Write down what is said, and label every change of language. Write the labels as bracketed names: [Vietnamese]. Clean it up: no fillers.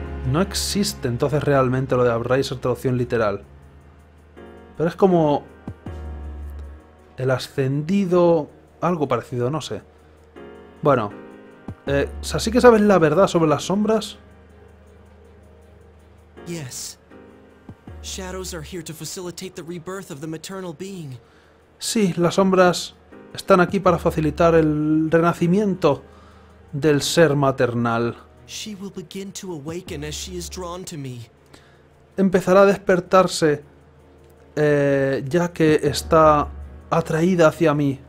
[Spanish] No existe entonces realmente lo de appraiser traducción literal. Pero es como el ascendido, algo parecido, no sé. Bueno, ¿así que sabes la verdad sobre las sombras? [English] Yes. Shadows are here to facilitate the rebirth of the maternal being. [Spanish] Sí, las sombras están aquí para facilitar el renacimiento del ser maternal. [English] She will begin to awaken as she is drawn to me. [Spanish] Empezará a despertarse ya que está atraída hacia mí.